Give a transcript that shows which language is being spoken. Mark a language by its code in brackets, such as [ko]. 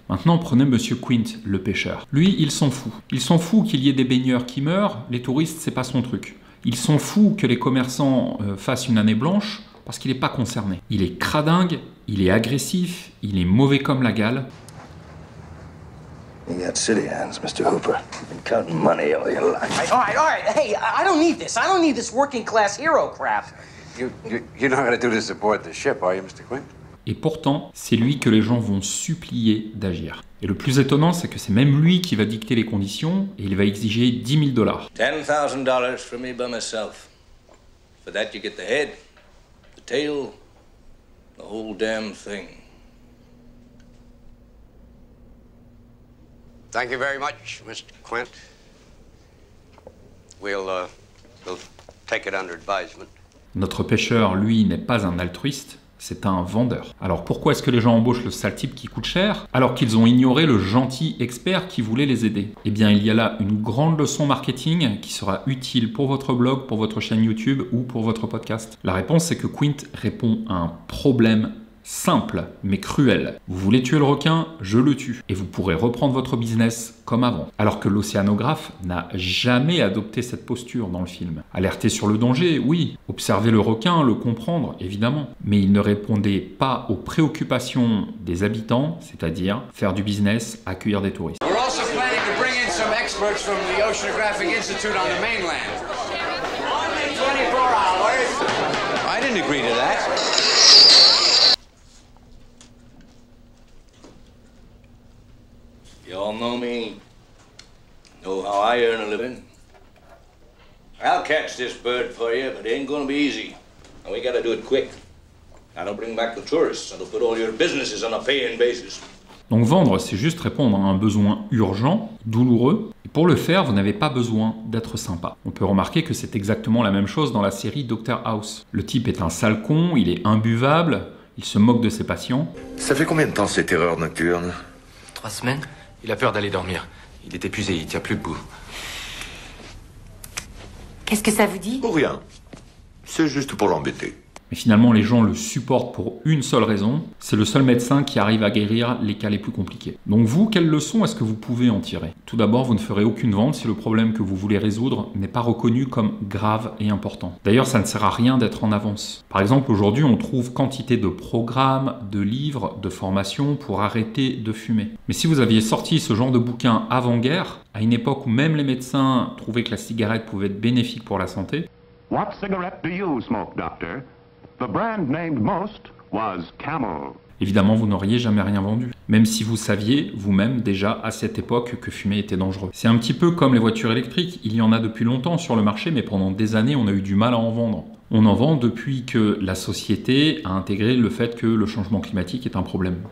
[fr] Maintenant, prenez Monsieur Quint, le pêcheur. Lui, il s'en fout. Il s'en fout qu'il y ait des baigneurs qui meurent. Les touristes, c'est pas son truc. Il s'en fout que les commerçants fassent une année blanche parce qu'il est pas concerné. Il est cradingue, il est agressif, il est mauvais comme la gale. [en] You got silly hands, Mr. Hooper. You've been counting money all your life. All right. Hey, I don't need this. I don't need this working class hero crap. You're not going to do this aboard the ship, are you, Mr. Quint? [fr] Et pourtant, c'est lui que les gens vont supplier d'agir. Et le plus étonnant, c'est que c'est même lui qui va dicter les conditions et il va exiger 10 000 dollars. [en] 10 000 for me by myself. For that you get the head, the tail, the whole damn thing. Thank you very much, Mr. Quint. We'll take it under advisement. [fr] Notre pêcheur, lui, n'est pas un altruiste. C'est un vendeur. Alors pourquoi est-ce que les gens embauchent le sale type qui coûte cher, alors qu'ils ont ignoré le gentil expert qui voulait les aider? Eh bien, il y a là une grande leçon marketing qui sera utile pour votre blog, pour votre chaîne YouTube ou pour votre podcast. La réponse, c'est que Quint répond à un problème simple, mais cruel. Vous voulez tuer le requin, je le tue. Et vous pourrez reprendre votre business comme avant. Alors que l'océanographe n'a jamais adopté cette posture dans le film. Alerter sur le danger, oui. Observer le requin, le comprendre, évidemment. Mais il ne répondait pas aux préoccupations des habitants, c'est-à-dire faire du business, accueillir des touristes. [en] We're also planning to bring in some experts from the Oceanographic Institute on the mainland. Only 24 hours. I didn't agree to that. Y'all know me. Know how I earn a living. I'll catch this bird for you, but it ain't gonna be easy. And we gotta do it quick. That'll bring back the tourists. That'll put all your businesses on a paying basis. [fr] Donc vendre, c'est juste répondre à un besoin urgent, douloureux. Et pour le faire, vous n'avez pas besoin d'être sympa. On peut remarquer que c'est exactement la même chose dans la série Dr. House. Le type est un sale con, il est imbuvable, il se moque de ses patients. Ça fait combien de temps ces terreurs nocturnes ? 3 semaines. Il a peur d'aller dormir. Il est épuisé, il tient plus debout. Qu'est-ce que ça vous dit ? Pour rien. C'est juste pour l'embêter. Mais finalement, les gens le supportent pour une seule raison. C'est le seul médecin qui arrive à guérir les cas les plus compliqués. Donc vous, quelle leçon est-ce que vous pouvez en tirer ? Tout d'abord, vous ne ferez aucune vente si le problème que vous voulez résoudre n'est pas reconnu comme grave et important. D'ailleurs, ça ne sert à rien d'être en avance. Par exemple, aujourd'hui, on trouve quantité de programmes, de livres, de formations pour arrêter de fumer. Mais si vous aviez sorti ce genre de bouquin avant-guerre, à une époque où même les médecins trouvaient que la cigarette pouvait être bénéfique pour la santé... [en] What cigarette do you smoke, doctor? The brand named most was Camel. [fr] Évidemment, vous n'auriez jamais rien vendu, même si vous saviez vous-même déjà à cette époque que fumer était dangereux. C'est un petit peu comme les voitures électriques, il y en a depuis longtemps sur le marché, mais pendant des années, on a eu du mal à en vendre. On en vend depuis que la société a intégré le fait que le changement climatique est un problème.